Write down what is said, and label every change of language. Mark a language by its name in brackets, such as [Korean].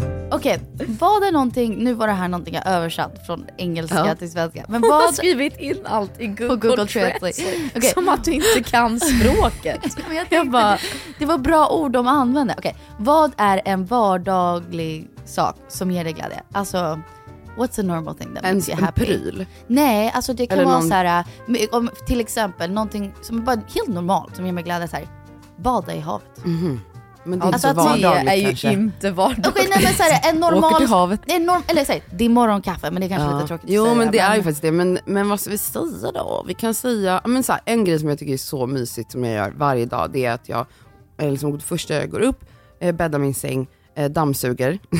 [Swedish] Okej, var det någonting, nu var det här någonting jag översatt från engelska till svenska. Men vad har skrivit in allt i Google Translate. Okay. Som att du inte kan språket. Men jag bara, det var bra ord de använde. Okej, vad är en vardaglig sak som ger dig glädje? [English] Alltså, what's a normal thing that makes you happy? [Swedish] En pryl? Nej, alltså det kan eller vara såhär, till exempel någonting som är bara helt normalt som ger mig glädje, såhär, bada i havet. Mhm. Men det är, alltså, inte det är ju inte vardagligt. Okej, nej, men så här, en normal, eller säg, det är morgonkaffe, men det är kanske lite tråkigt att jo, säga, men det är ju faktiskt det. Men vad ska vi säga då? Vi kan säga, men så här, en grej som jag tycker är så mysigt som jag gör varje dag, det är att jag liksom, först jag går upp, bäddar min säng, dammsuger.